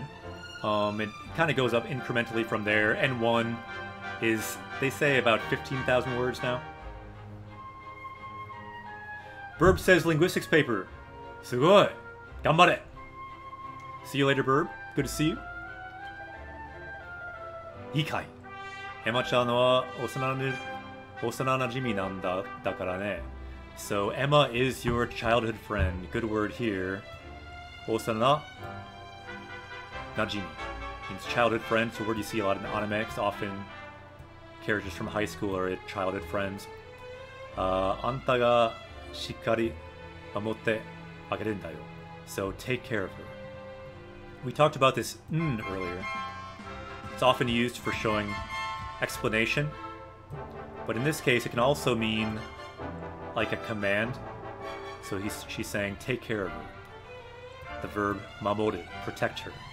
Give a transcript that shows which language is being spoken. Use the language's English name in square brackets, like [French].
[English] It kind of goes up incrementally from there. N1 is, they say, about 15,000 words now. Burb says, linguistics paper. [Japanese] Sugoi! Ganbare! [English] See you later, Burb. Good to see you. [Japanese] いいかい。エマちゃんは幼馴染なんだ、だからね。 [English] So Emma is your childhood friend. Good word here. 幼馴染 means childhood friend. So word you see a lot in anime, because often characters from high school are childhood friends. [Japanese] あんたがしっかり守ってあげるんだよ。 [English] So take care of her. We talked about this earlier. It's often used for showing explanation, but in this case it can also mean like a command. So she's saying take care of her. The verb 守る, protect her.